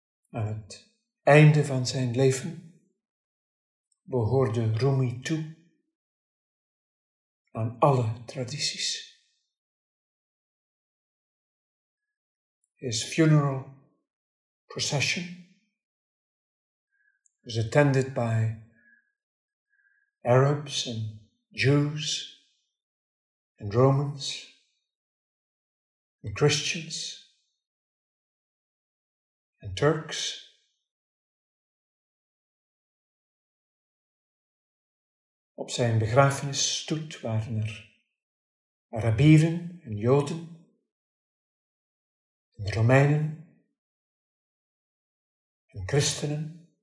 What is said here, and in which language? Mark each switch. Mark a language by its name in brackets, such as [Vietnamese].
[Dutch] Aan het einde van zijn leven behoorde Rumi toe aan alle tradities. [English] His funeral procession was attended by Arabs and Jews and Romans and Christians and Turks. [Dutch] Op zijn begrafenisstoet waren er Arabieren en Joden en Romeinen en Christenen.